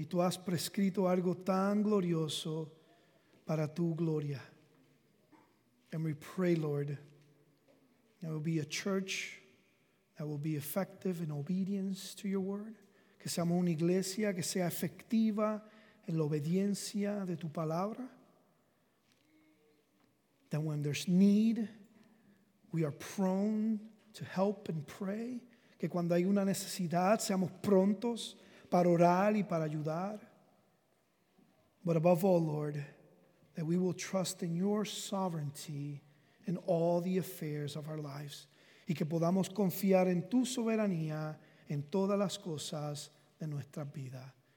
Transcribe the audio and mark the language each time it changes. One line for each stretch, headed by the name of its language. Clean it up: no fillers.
Spanish: Y tú has prescrito algo tan glorioso para tu gloria.
English: And we pray, Lord, that we'll be a church that will be effective in obedience to your word.
Spanish: Que seamos una iglesia que sea efectiva en la obediencia de tu palabra.
English: That when there's need, we are prone to help and pray.
Spanish: Que cuando hay una necesidad, seamos prontos para orar y para ayudar.
English: But above all, Lord, that we will trust in your sovereignty in all the affairs of our lives.
Spanish: Y que podamos confiar en tu soberanía en todas las cosas de nuestra vida.